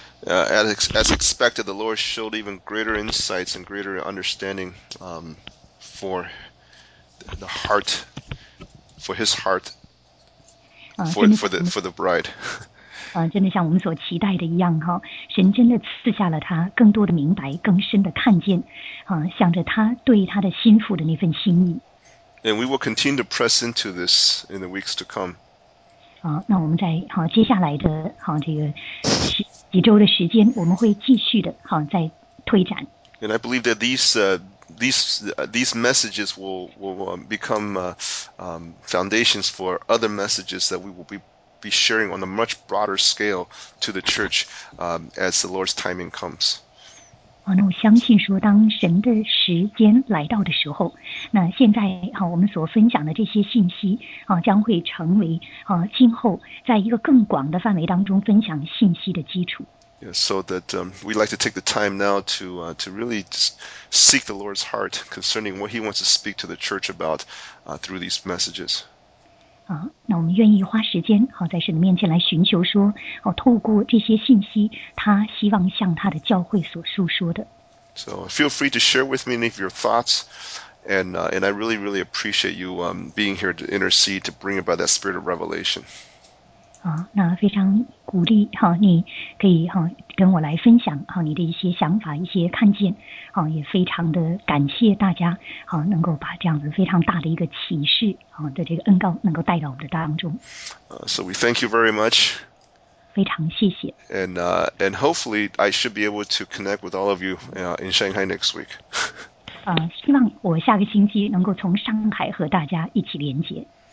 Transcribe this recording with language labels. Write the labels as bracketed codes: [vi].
[en] As expected, the Lord showed even greater insights and greater understanding for the heart, for His heart, for the bride. [zh] 真的像我们所期待的一样哈，神真的赐下了他更多的明白，更深的看见，想着他对他的心腹的那份心意。 [en] And we will continue to press into this in the weeks to come. [zh] 好，那我们在好接下来的好这个几周的时间，我们会继续的好再推展。 [en] And I believe that these messages will become foundations for other messages that we will be sharing on a much broader scale to the church as the Lord's timing comes. [zh] 那我相信说，当神的时间来到的时候，那现在我们所分享的这些信息将会成为今后在一个更广的范围当中分享信息的基础。 [en] Yeah, so that we'd like to take the time now to really seek the Lord's heart concerning what He wants to speak to the church about through these messages. [zh] 啊，那我们愿意花时间好、啊、在神的面前来寻求说，哦、啊，透过这些信息，他希望向他的教会所述说的。 [en] So feel free to share with me any of your thoughts, and I really really appreciate you being here to intercede to bring about that spirit of revelation. [zh] 啊，那非常鼓励哈、啊，你可以哈、啊、跟我来分享哈、啊、你的一些想法、一些看见，哈、啊、也非常的感谢大家哈、啊、能够把这样子非常大的一个启示哈、啊、的这个恩膏能够带到我们的当中。 [en] So we thank you very much. [zh] 非常谢谢。 [en] And hopefully I should be able to connect with all of you in Shanghai next week. [zh] 希望我下个星期能够从上海和大家一起连接。